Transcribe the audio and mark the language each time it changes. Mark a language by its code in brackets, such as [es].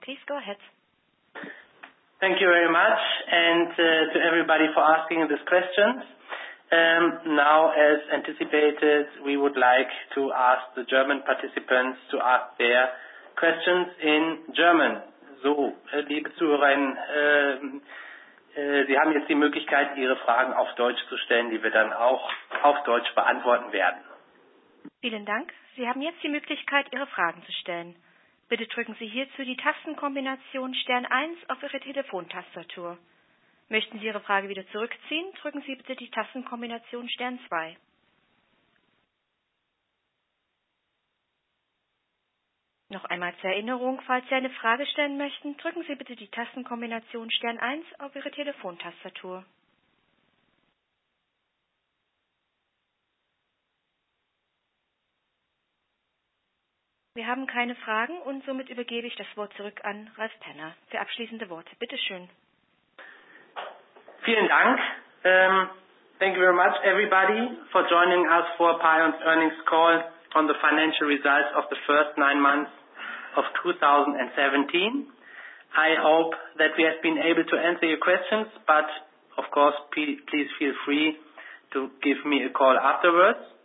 [en] Please go ahead. Thank you very much, and to everybody for asking these questions. Now, as anticipated, we would like to ask the German participants to ask their questions in German. [de] So, liebe Zuhörerinnen, Sie haben jetzt die Möglichkeit, Ihre Fragen auf Deutsch zu stellen, die wir dann auch auf Deutsch beantworten werden. Vielen Dank. Sie haben jetzt die Möglichkeit, Ihre Fragen zu stellen. Bitte drücken Sie hierzu die Tastenkombination Stern 1 auf Ihre Telefontastatur. Möchten Sie Ihre Frage wieder zurückziehen, drücken Sie bitte die Tastenkombination Stern 2. Noch einmal zur Erinnerung, falls Sie eine Frage stellen möchten, drücken Sie bitte die Tastenkombination Stern 1 auf Ihre Telefontastatur. Wir haben keine Fragen und somit übergebe ich das Wort zurück an Ralf Penner für abschließende Worte. Bitte schön. Vielen Dank. [en] Thank you very much, everybody, for joining us for PAION's earnings call on the financial results of the first 9 months of 2017. I hope that we have been able to answer your questions, but of course, please feel free to give me a call afterwards.